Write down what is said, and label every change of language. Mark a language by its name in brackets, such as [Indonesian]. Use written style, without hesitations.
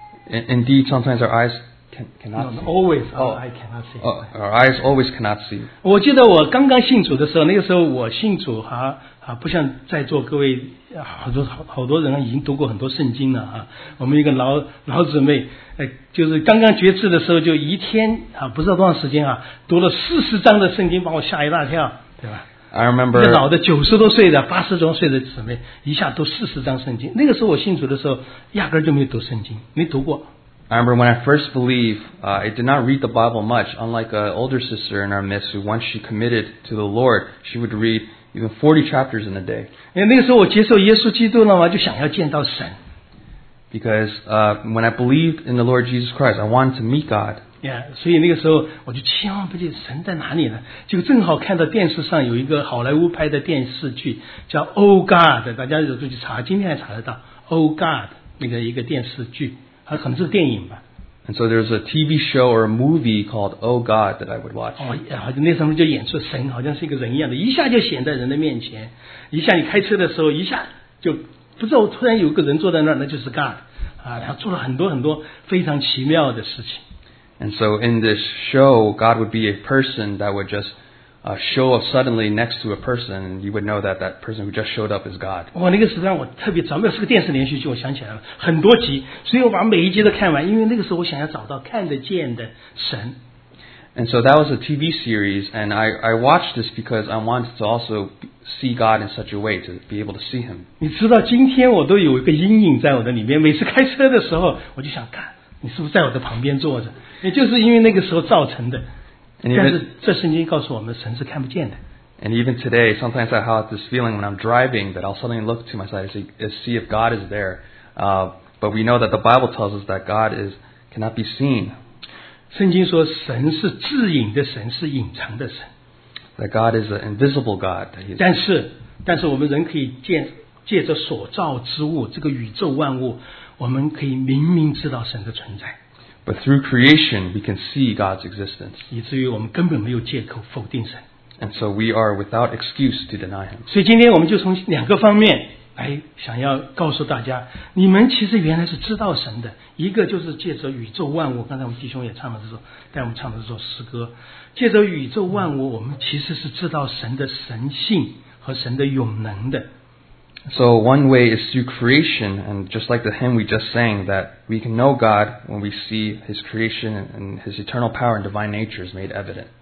[English] Indeed, sometimes our eyes cannot see. No, always our eyes cannot see. Our eyes always cannot see. [Chinese] 我记得我刚刚信主的时候，那个时候我信主还不像在座各位好多人已经读过很多圣经了啊。我们一个老姊妹，就是刚刚决志的时候，就一天啊，不知道多长时间啊，读了40章的圣经，把我吓一大跳，对吧？ [English] I remember [Chinese] 一个老的90多岁的80多岁的姊妹一下读40章圣经。那个时候我信主的时候压根就没读圣经，没读过。 [English] I remember when I first believed, I did not read the Bible much, unlike an older sister in our midst who once she committed to the Lord, she would read even 40 chapters in a day. [Chinese] 那个时候我接受耶稣基督了嘛，就想要见到神。 [English] Because, when I believed in the Lord Jesus Christ, I wanted to meet God. [Chinese] Yeah, 所以那个时候我就千万不记得神在哪里呢，就正好看到电视上有一个好莱坞拍的电视剧叫 Oh God， 大家有时候去查，今天还查得到 Oh God 那个一个电视剧，可能是电影吧。 [English] And so there's a TV show or a movie called Oh God that I would watch、 [Chinese] oh, yeah, 那时候就演出神好像是一个人一样的，一下就显在人的面前，一下你开车的时候一下就不知道突然有个人坐在那儿，那就是 God、他做了很多很多非常奇妙的事情。 [English] And so in this show, God would be a person that would just show up suddenly next to a person, and you would know that that person who just showed up is God. [Chinese] 那个时候我特别找，那是个电视连续剧，我想起来了，很多集，所以我把每一集都看完，因为那个时候我想要找到看得见的神。 [English] And so that was a TV series, and I watched this because I wanted to also see God in such a way to be able to see Him. [Chinese] 你知道，今天我都有一个阴影在我的里面，每次开车的时候，我就想看。你是不是在我的旁边坐着？也就是因为那个时候造成的。 [English] Even, [Chinese] 但是这圣经告诉我们，神是看不见的。 [English] And even today, sometimes I have this feeling when I'm driving that I'll suddenly look to my side to see if God is there. But we know that the Bible tells us that God is cannot be seen. [Chinese] 圣经说神是自隐的神，是隐藏的神。 [English] That God is an invisible God. [Chinese] 但是我们人可以借着所造之物，这个宇宙万物。我们可以明明知道神的存在。 [English] But through creation, we can see God's existence. [Chinese] 以至于我们根本没有借口否定神。 [English] And so we are without excuse to deny Him. [Chinese] 所以今天我们就从两个方面来想要告诉大家，你们其实原来是知道神的。一个就是借着宇宙万物，刚才我们弟兄也唱了这首，带我们唱的这首诗歌。借着宇宙万物，我们其实是知道神的神性和神的永能的。 [English] So one way is through creation, and just like the hymn we just sang, that we can know God when we see His creation and His eternal power and divine nature is made evident.